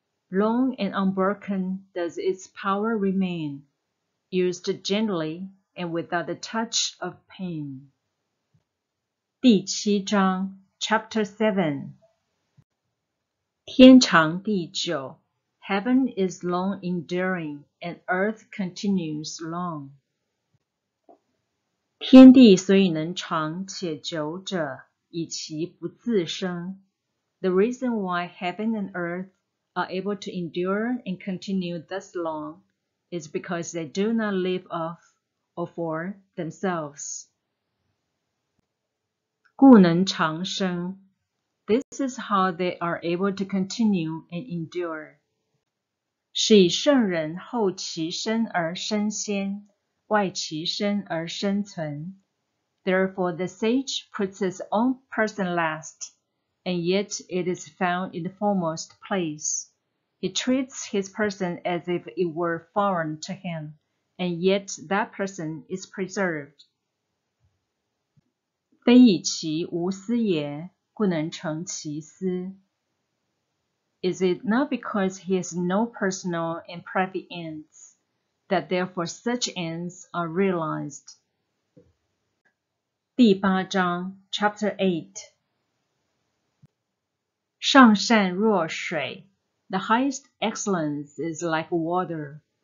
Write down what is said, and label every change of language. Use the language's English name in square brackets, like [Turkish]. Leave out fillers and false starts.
[English] Long and unbroken does its power remain, used gently and without the touch of pain. [Chinese] 第七章 [English] Chapter 7 [Chinese] 天长地久 [English] Heaven is long enduring and earth continues long. [Chinese] 天地虽以能长且久者，以其不自生。 [English] The reason why heaven and earth are able to endure and continue thus long is because they do not live of or for themselves. [Chinese] 故能长生。 [English] This is how they are able to continue and endure. [Chinese] 是以圣人后其身而身先。外其身而生存。 [English] Therefore, the sage puts his own person last, and yet it is found in the foremost place. He treats his person as if it were foreign to him, and yet that person is preserved. [Chinese] 非以其无私也，故能成其私。 [English] Is it not because he has no personal and private ends, that therefore such ends are realized? [Chinese] 第八章 [English] Chapter 8 [Chinese] 上善若水 [English] The highest excellence is like water.